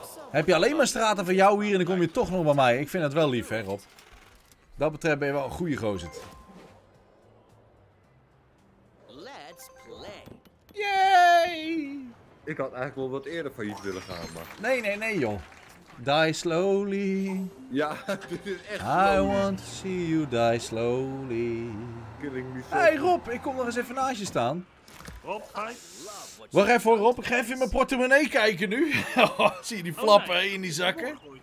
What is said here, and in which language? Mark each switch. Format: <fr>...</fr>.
<nl>Heb je alleen maar straten van jou hier en dan kom je toch nog bij mij. Ik vind dat wel lief, hè, Rob. Dat betreft ben je wel een goede gozer.</nl> <en>Let's play. Yay!</en> <nl>Ik had eigenlijk wel wat eerder failliet willen gaan, maar... Nee, joh.</nl> <en>Die slowly.</en> <nl>Ja, dit is echt</nl> <en>slowly. I want to see you die slowly. Killing me so.</en> <nl>Hey, Rob, ik kom nog eens even naast je staan. Rob, hi. Wacht even hoor, Rob. Ik ga even in mijn portemonnee kijken nu. Zie je die flappen in die zakken?</nl>